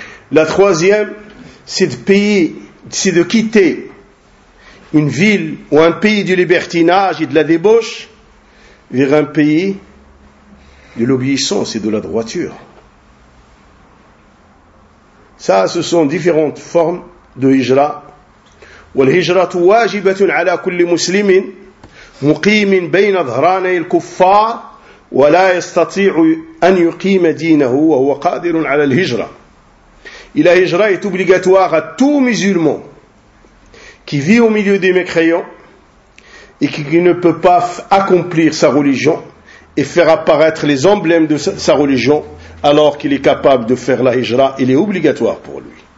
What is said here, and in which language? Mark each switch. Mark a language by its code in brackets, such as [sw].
[fr] La troisième, c'est de quitter une ville ou un pays du libertinage et de la débauche vers un pays de l'obéissance et de la droiture. Ça, ce sont différentes formes de hijra. [ar] والهجرة واجبة على كل مسلم مقيم بين ظهراني الكفار ولا يستطيع أن يقيم دينه وهو قادر على الهجرة. [fr] Et la hijra est obligatoire à tout musulman qui vit au milieu des mécréants et qui ne peut pas accomplir sa religion et faire apparaître les emblèmes de sa religion alors qu'il est capable de faire la hijra, il est obligatoire pour lui.